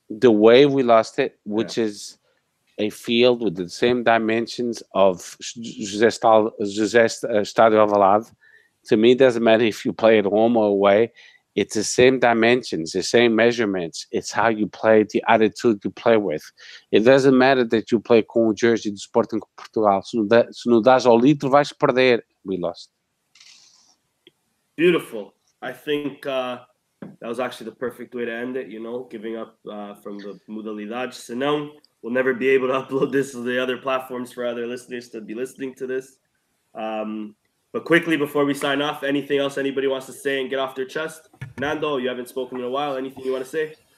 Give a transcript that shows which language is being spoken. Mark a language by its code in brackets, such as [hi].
[en] The way we lost it, which is a field with the same dimensions of José Estádio Alvalade. To me, it doesn't matter if you play at home or away. It's the same dimensions, the same measurements. It's how you play, the attitude you play with. It doesn't matter that you play [pt] com o jersey do Sporting Portugal. Se não das ao litro, vais perder. [en] We lost. Beautiful. I think that was actually the perfect way to end it, you know, giving up from the modalidade. Senão, we'll never be able to upload this to the other platforms for other listeners to be listening to this. But quickly, before we sign off, anything else anybody wants to say and get off their chest? Nando, you haven't spoken in a while. Anything you want to say?